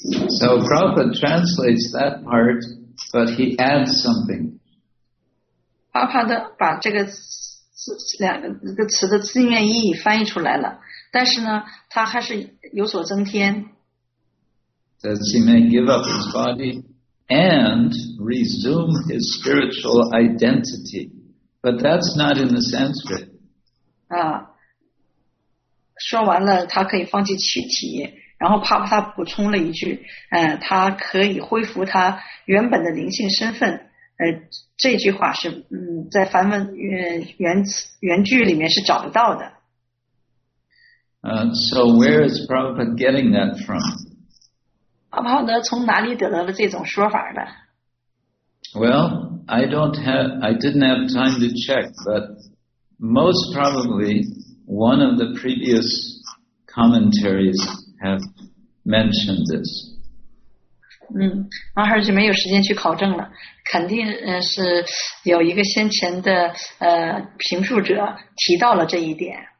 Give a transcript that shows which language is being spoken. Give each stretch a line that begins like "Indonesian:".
English: So Prabhupada translates that part, but he adds something.
Chinese: Prabhupada 把这个两个词的字面意义翻译出来了，但是呢，他还是有所增添。
English: Says he may give up his body and resume his spiritual identity, but that's not in the Sanskrit.
Chinese: 说完了，他可以放弃躯体，然后帕帕他补充了一句，他可以恢复他原本的灵性身份。这句话是在梵文原句里面是找不到的。
English: So where is Prabhupada getting that from?
Chinese: 帕帕德从哪里得到了这种说法的？
English: Well, I didn't have time to check, but most probably. One of the previous commentaries have mentioned this.
Chinese: 马哈就没有时间去考证了，肯定是有一个先前的评述者提到了这一点。